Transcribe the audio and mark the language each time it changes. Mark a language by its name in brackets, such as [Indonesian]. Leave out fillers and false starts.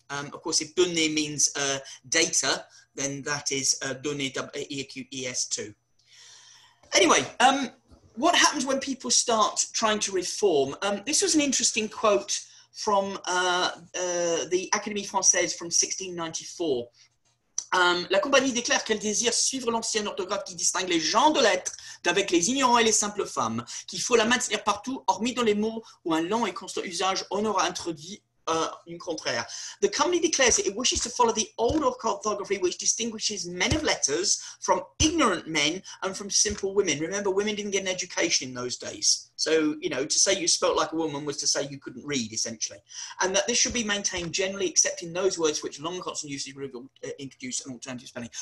[English] Of course, if donner means data, then that is donner, E-A-Q-E-S too. Anyway, what happens when people start trying to reform? This was an interesting quote from the Académie Française from 1694. [French] La compagnie déclare qu'elle désire suivre l'ancienne orthographe qui distingue les gens de lettres d'avec les ignorants et les simples femmes, qu'il faut la maintenir partout, hormis dans les mots où un lent et constant usage honore introduit une contraire. [English] The company declares that it wishes to follow the old orthography which distinguishes men of letters from ignorant men and from simple women. Remember, women didn't get an education in those days. So, you know, to say you spelt like a woman was to say you couldn't read, essentially. And that this should be maintained generally except in those words which long constant usage would introduce an alternative spelling.